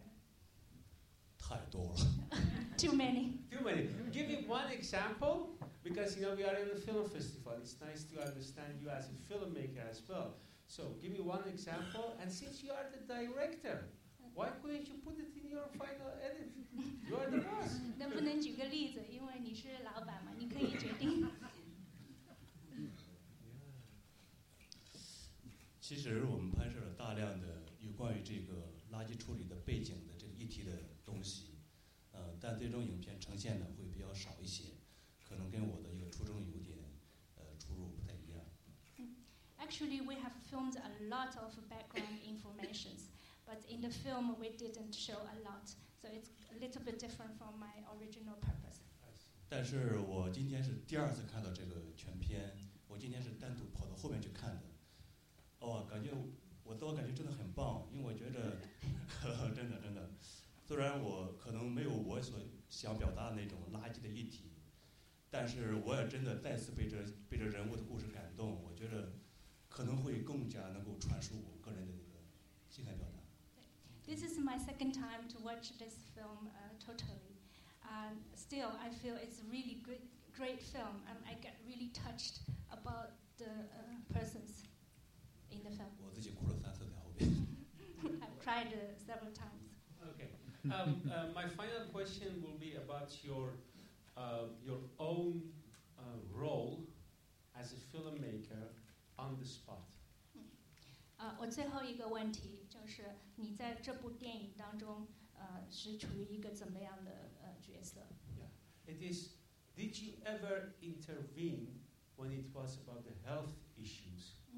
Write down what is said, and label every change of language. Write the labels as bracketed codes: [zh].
[zh] 就什么是你最喜欢的又不得不剪去的一些片段？太多了。 [en] Too many. Too many. Give me one example, because you know we are in a film festival. It's nice to understand you as a filmmaker as well. So give me one example. And since you are the director, why couldn't you put it in your final edit? You are the boss. [zh] 能不能举个例子？因为你是老板嘛，你可以决定。其实我们拍摄了大量的有关于这个垃圾处理的背景的这个议题的东西，但最终影片呈现的会比较少一些，可能跟我的一个初衷有点出入不太一样。 [en] Actually, we have filmed a lot of background information, but in the film we didn't show a lot, so it's a little bit different from my original purpose. [zh] 但是我今天是第二次看到这个全片，我今天是单独跑到后面去看的。哦，感觉我自我感觉真的很棒，因为我觉得真的，虽然我可能没有我所想表达的那种垃圾的议题，但是我也真的再次被这人物的故事感动，我觉得可能会更加能够传输我个人的那个情感表达。 [en] This is my second time to watch this film totally. Still, I feel it's a really great film, and I get really touched about the persons. [zh] 我自己哭了三次在后面。 [en] I've cried several times. Okay. My final question will be about your own role as a filmmaker on the spot. [zh] 我最后一个问题就是你在这部电影当中是处于一个怎么样的角色？ [en] Yeah. It is. Did you ever intervene when it was about the health issues?